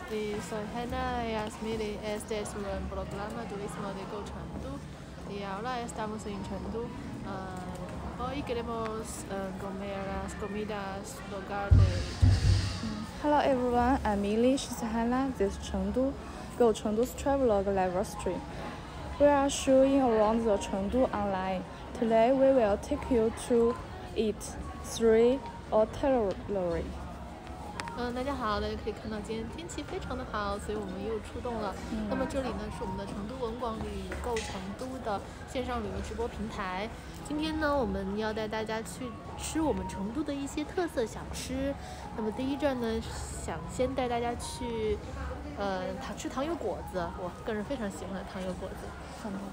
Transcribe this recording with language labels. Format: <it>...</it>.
<es>Y soy Hanna Yasmiri, este es un programa turismo de Go Chengdu y ahora estamos en Chengdu. Hoy queremos comer las comidas locales de Chengdu.</es> <en>Hello everyone, I'm Milly, she's Hanna, this is Chengdu, Go Chengdu's travelog laboratory. We are showing around the Chengdu online. Today we will take you to eat three hotelry.</en> <zh>大家好，大家可以看到今天天气非常的好，所以我们又出动了。那么这里呢是我们的成都文广旅购成都的线上旅游直播平台。今天呢我们要带大家去吃我们成都的一些特色小吃。那么第一站呢想先带大家去吃糖油果子，我个人非常喜欢糖油果子。</zh>